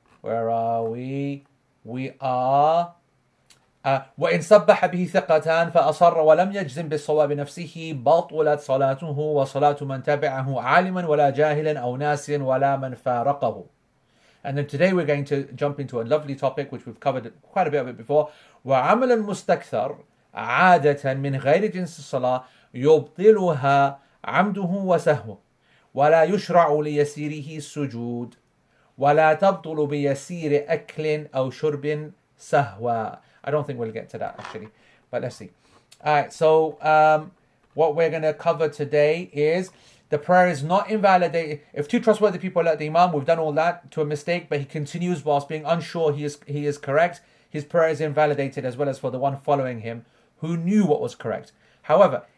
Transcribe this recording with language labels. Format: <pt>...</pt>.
<en>Where are we? We are.</en> <ar>وَإِنْ صَبَّحَ بِهِ ثِقَّتَانْ فَأَصَرَّ وَلَمْ يَجْزِمْ بِالصَّوَابِ نَفْسِهِ بَطُلَتْ صَلَاتُهُ وَصَلَاتُ مَنْ تَبِعَهُ عَالِمًا وَلَا جَاهِلًا أَوْ نَاسِيًا وَلَا مَنْ فَارَقَهُ.</ar> <en>And then today we're going to jump into a lovely topic, which we've covered quite a bit of it before.</en> <ar>وَعَمَلًا مُسْتَكْثَرْ عادة من غير جنس الصلاة يبطلها عمده وسهو ولا يشرع ليسيره السجود ولا تبطل بيسير أكل أو شرب سهوا.</ar> <en>I don't think we'll get to that actually, but let's see. All right, so what we're going to cover today is the prayer is not invalidated if two trustworthy people let the imam, we've done all that, to a mistake, but he continues whilst being unsure he is correct, his prayer is invalidated, as well as for the one following him who knew what was correct. However,</en>